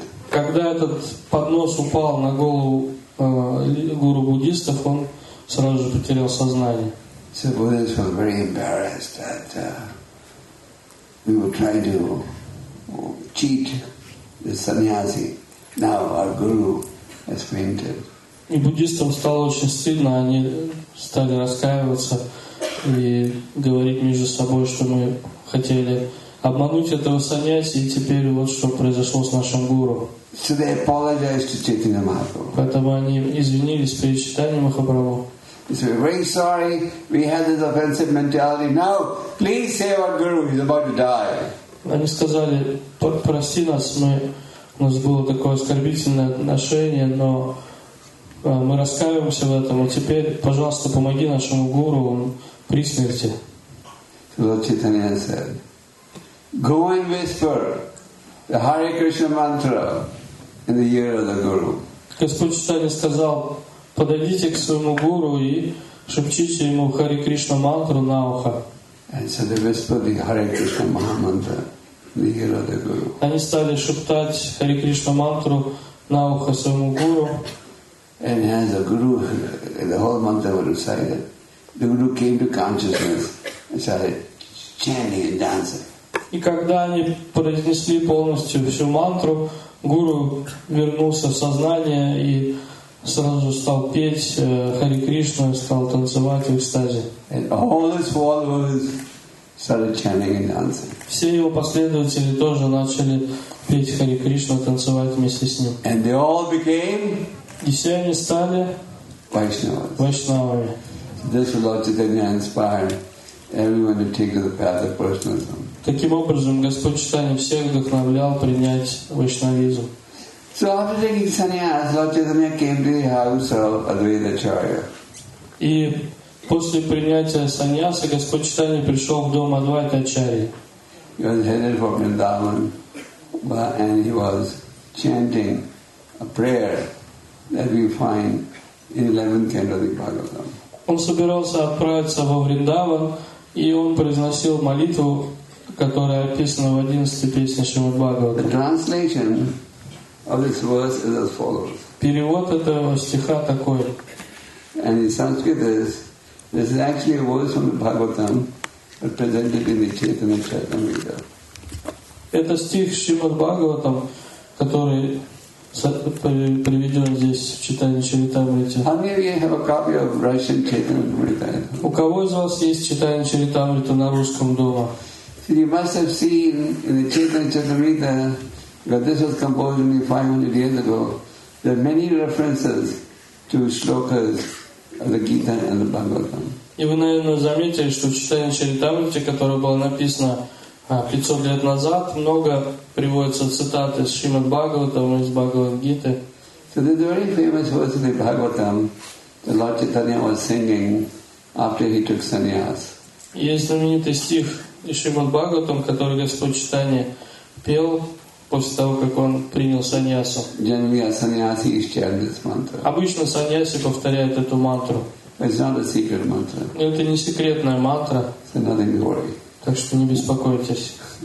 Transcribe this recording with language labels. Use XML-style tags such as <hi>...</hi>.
<ru>Когда этот поднос упал на голову гуру буддистов, он сразу же потерял сознание.</ru> <en>So Buddhists were very embarrassed that we were trying to cheat the sannyasi. Now our guru has fainted.</en> <ru>И буддистам стало очень стыдно, они стали раскаиваться и говорить между собой, что мы хотели обмануть этого сannyasi, и теперь вот что произошло с нашим гуру.</ru> <en>So they apologized to Chaitanya Mahaprabhu.</en> <ru>Поэтому они извинились перед Чайтаньей Махапрабху.</ru> <en>He said, "Very sorry, we had this offensive mentality. Now, please save our guru. He's about to die."</en> <ru>Они сказали: "Прости нас, мы у нас было такое оскорбительное отношение, но мы раскаиваемся в этом. Теперь, пожалуйста, помоги нашему гуру, он при смерти."</ru> <en>Lord Chaitanya said, "Go and whisper the Hare Krishna mantra in the ear of the guru."</en> <ru>Господь Чайтанья сказал: "Подойдите к своему гуру и шепчите ему Хари Кришна мантру на ухо."</ru> <en>And so they whispered the Hare Krishna mantra in the ear of the guru.</en> <ru>Они стали шептать Хари Кришна мантру на ухо своему гуру.</ru> <en>And as the guru, the whole mantra was recited, the guru came to consciousness and started chanting and dancing.</en> <ru>И когда они произнесли полностью всю мантру, гуру вернулся в сознание и сразу же стал петь Хари Кришна, стал танцевать в экстазе.</ru> <en>And all his followers started chanting and dancing.</en> <ru>Все его последователи тоже начали петь Хари Кришна, танцевать вместе с ним.</ru> <en>And they all became.</en> <ru>И все они стали вайшнавами.</ru> <en>This Lord Chaitanya inspired everyone to take the path of personalism.</en> <ru>Таким образом, Господь Чайтанья всех вдохновлял принять вайшнавизм.</ru> <en>So after taking sannyas, Lord Chaitanya came to the house of Advaita Acharya.</en> <ru>И после принятия саньяса Господь Чайтанья пришел в дом Адвайта Ачарьи.</ru> <en>He was headed for Vrindavan, and he was chanting a prayer that we find in 11th canto of the Bhagavatam.</en> <ru>Он собирался отправиться во Вриндаван, и он произносил молитву, которая описана в 11-й песне Шримад-Бхагаватам.</ru> <en>The translation of this verse is as follows.</en> <ru>Перевод этого стиха такой.</ru> <en>And in Sanskrit this is actually a verse from the Bhagavatam, but presented in the Chaitanya Charitamrita.</en> <ru>Это стих Шримад Бхагаватам, который приведен здесь в читании Чаритамрите.</ru> <en>How many of you have a copy of Russian Chaitanya?</en> <ru>У кого из вас есть читание Чаритамрита на русском дома?</ru> <en>You must have seen in the Chaitanya Charitamrita that this was composed only 500 years ago. There are many references to shlokas of the Gita and the Bhagavatam.</en> <ru>И вы, наверное, заметили, что читание Чаритамрите, которое было написано 500 лет назад, много приводится цитаты из Шримад Бхагаватам и из Бхагавад-гиты.</ru> <en>So there's a very famous verse in the Bhagavatam that Lord Chaitanya was singing after he took sannyas.</en> <ru>Есть знаменитый стих из Шримад Бхагаватам, который Господь Чайтанья пел после того, как он принял саньясу.</ru> <en>Generally, a sannyasi is chanting this mantra.</en> <ru>Обычно саньяси повторяют эту мантру.</ru> <en>It's not a secret mantra.</en> <ru>Это не секретная мантра.</ru> <en>So nothing to worry.</en> <ru>Так что не беспокойтесь.</ru>